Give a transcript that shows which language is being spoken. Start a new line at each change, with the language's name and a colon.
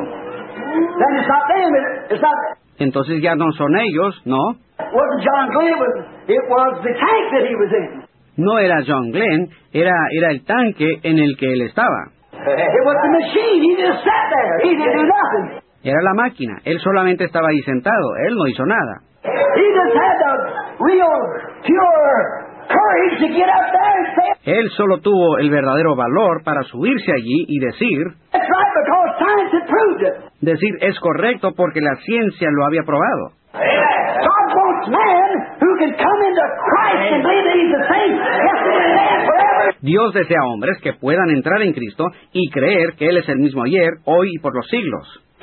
English: Then it's not them, it's not...
Spanish: Entonces ya no son ellos, ¿no?
English: Wasn't John Glenn, it was the tank that he was in.
Spanish: No era John Glenn, era el tanque en el que él estaba.
English: It was the machine. He just sat there. He didn't do nothing.
Spanish: Era la máquina. Él solamente estaba ahí sentado. Él no hizo nada.
English: He just had a real, pure courage to get up there and say,
Spanish: él solo tuvo el verdadero valor para subirse allí y decir,
English: that's right, because science had proved it.
Spanish: Decir, es correcto porque la ciencia lo había probado.
English: God wants man who can come into Christ and believe that he's the same yesterday, today, and forever.
Spanish: Dios desea hombres que puedan entrar en Cristo y creer que Él es el mismo ayer, hoy y por los siglos.